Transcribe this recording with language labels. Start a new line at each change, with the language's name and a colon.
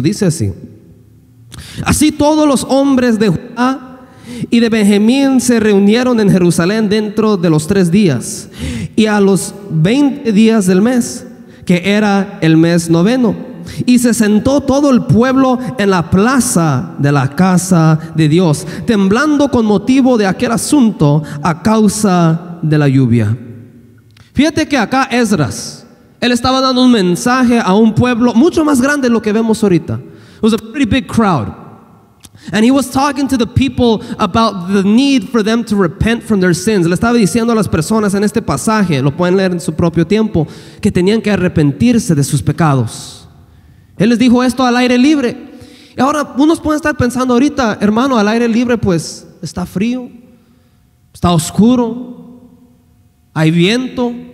Spanish: Dice así: así todos los hombres de Judá y de Benjamín se reunieron en Jerusalén dentro de los 3 días y a los 20 días del mes, que era el mes noveno, y se sentó todo el pueblo en la plaza de la casa de Dios, temblando con motivo de aquel asunto a causa de la lluvia. Fíjate que acá Esdras, él estaba dando un mensaje a un pueblo mucho más grande de lo que vemos ahorita.
English: It was a pretty big crowd. And he was talking to the people about the need for them to repent from their sins.
Spanish: Le estaba diciendo a las personas en este pasaje, lo pueden leer en su propio tiempo, que tenían que arrepentirse de sus pecados. Él les dijo esto al aire libre. Y ahora, unos pueden estar pensando ahorita, hermano, al aire libre pues está frío, está oscuro, hay viento.